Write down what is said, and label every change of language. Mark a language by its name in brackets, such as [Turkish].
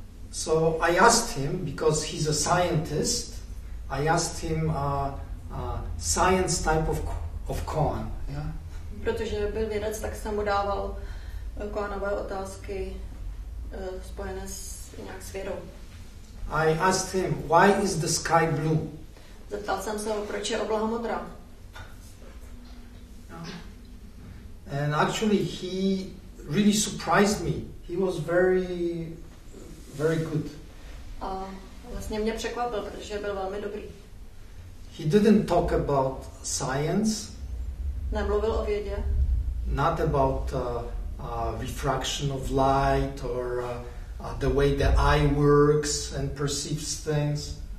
[English] So I asked him, because he's a scientist, I asked him science type of koan. Yeah. [Czech] Protože byl vědec, tak jsem mu dával koanové otázky spojené s nějak s vědou. [English] I asked him, why is the sky blue? [Czech] Zeptal jsem se ho, proč je obloha modrá. [English] And actually he really surprised me. He was very, very good. [Czech] A vlastně mě překvapil, protože byl velmi dobrý. [English] He didn't talk about science. [Czech] Nemluvil o vědě. [English] Not about refraction of light or the way the eye works and perceives things.